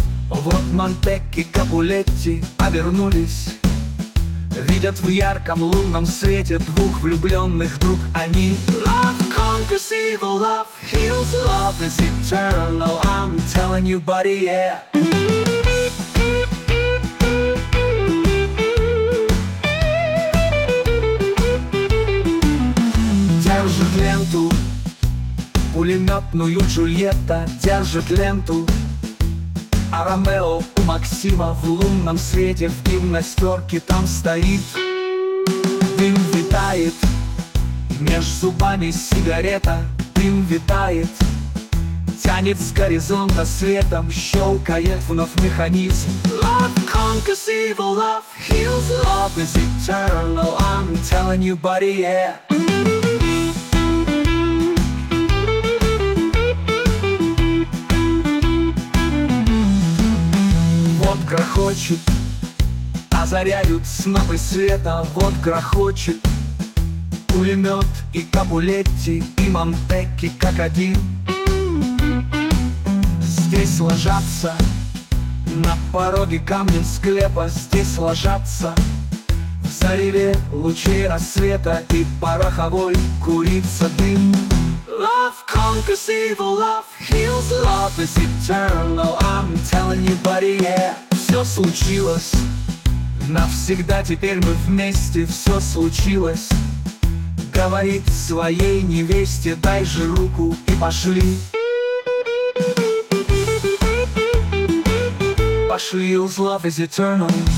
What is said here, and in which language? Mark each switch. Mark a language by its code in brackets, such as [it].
[ru] Вот Монтекки, Капулетти обернулись, видят в ярком лунном свете двух влюбленных вдруг они. [en] Love conquers evil, love heals, love is eternal, I'm telling you, buddy, yeah. [ru] Держит ленту пулеметную Джульетта, держит ленту. А Ромео у Максима в лунном свете в гимнастерке там стоит. Дым витает, меж зубами сигарета. Дым витает, тянет с горизонта светом, щелкает вновь механизм. [en] Love conquers evil, love heals, love is eternal, I'm telling you, buddy, yeah. [ru] Грохочет, озаряют снопы света, вот грохочет пулемет и Капулетти, и Монтекки как один. Здесь ложатся на пороге камнем склепа, здесь ложатся в заливе лучей рассвета, и пороховой курится дым. [en] Love conquers evil, love heals, love is eternal, I'm telling you, buddy, yeah. [ru] Все случилось, навсегда теперь мы вместе, все случилось. Говорит своей невесте, дай же руку и пошли. Пошли, [en] use love is eternal.